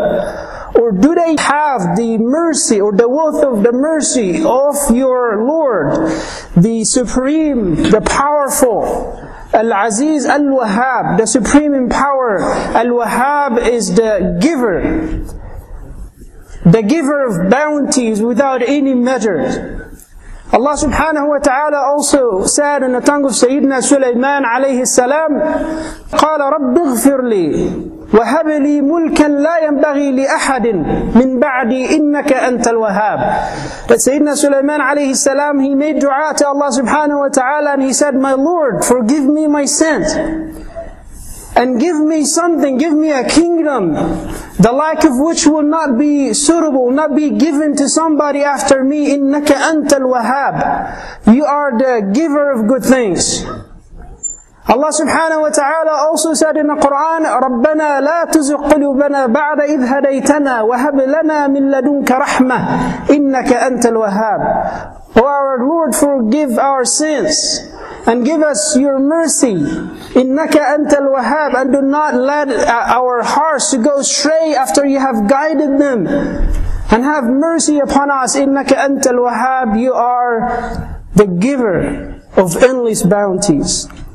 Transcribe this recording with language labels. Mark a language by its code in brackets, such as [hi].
[en] Or do they have the mercy or the wealth of the mercy of your Lord, the Supreme, the Powerful, Al-Aziz Al-Wahhab, the Supreme in power. Al-Wahhab is the giver of bounties without any measure. Allah subhanahu wa ta'ala also said in the tongue of Sayyidina Sulaiman alayhi salam, [ar] قَالَ رَبِّ اغْفِرْ لِي وَهَبْ لِي مُلْكًا لَا يَنْبَغِي لِأَحَدٍ مِّن بَعْدِي إِنَّكَ أَنْتَ الْوَهَّابِ. [en] But Sayyidina Sulaiman alayhi salam, he made dua to Allah subhanahu wa ta'ala and he said, "My Lord, forgive me my sins and give me something, give me a kingdom, the like of which will not be suitable, not be given to somebody after me. [ar] إِنَّكَ أَنْتَ الْوَهَّابِ." [en] You are the giver of good things. Allah subhanahu wa ta'ala also said in the Qur'an, [ar] رَبَّنَا لَا تُزِغْ قُلُوبَنَا بَعْدَ إِذْ هَدَيْتَنَا وَهَبْ لَنَا مِنْ لَدُنْكَ رَحْمَةً إِنَّكَ أَنْتَ الْوَهَّابِ. [en] O our Lord, forgive our sins and give us your mercy. [ar] إِنَّكَ أَنْتَ الْوَهَّابِ. [en] And do not let our hearts go astray after you have guided them. And have mercy upon us. [ar] إِنَّكَ أَنْتَ الْوَهَّابِ. [en] You are the giver of endless bounties.